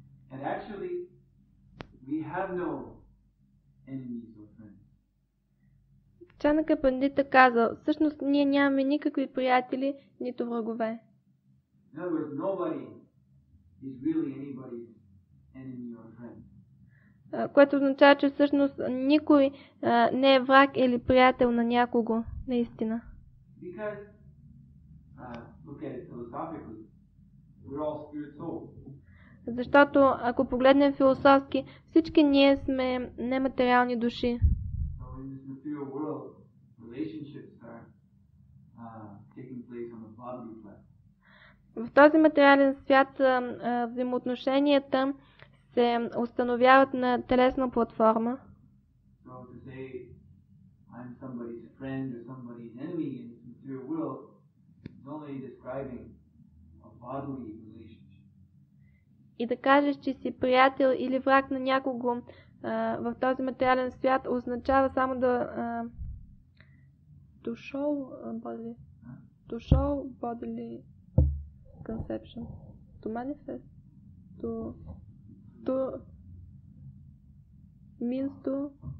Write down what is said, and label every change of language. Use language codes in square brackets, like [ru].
[en] And actually, we have no enemies or friends. [bg] Чанака пандита казал, всъщност ние нямаме никакви приятели, нито врагове. [en] In other words, nobody is really anybody's enemy or friend. [bg] Което означава, че всъщност никой не е враг или приятел на някого, наистина. [en] Because look at it philosophically. We're all spirit soul. [bg] Защото ако погледнем философски, всички ние сме нематериални души. [en] So in this material world, relationships are taking place on a bodily plane. [bg] В този материален свят взаимоотношенията се установяват на телесна платформа. [en] So to say I'm somebody's friend or somebody's enemy in this material world. Only describing a bodily relationship. [bg] И да кажеш, че си приятел или враг на някого в този материален свят означава само да [en] to show bodily conception. To manifest. To means to.